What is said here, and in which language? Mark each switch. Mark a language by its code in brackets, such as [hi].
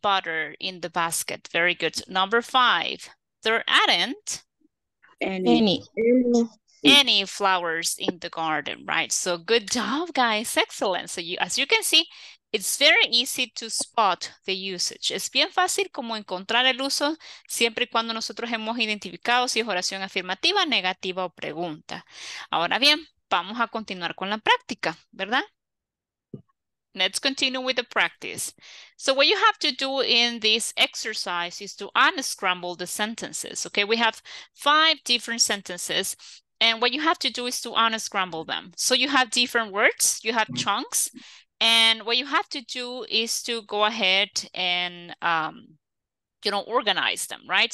[en] butter in the basket? Very good. Number five, there aren't any flowers in the garden, right? So good job, guys. Excellent. So you, as you can see, it's very easy to spot the usage. [es] Es bien fácil como encontrar el uso siempre y cuando nosotros hemos identificado si es oración afirmativa, negativa o pregunta. Ahora bien, vamos a continuar con la práctica, ¿verdad? [en] Let's continue with the practice. So what you have to do in this exercise is to unscramble the sentences, okay? We have five different sentences. And what you have to do is to unscramble them. So you have different words, you have chunks. And what you have to do is to go ahead and, you know, organize them, right?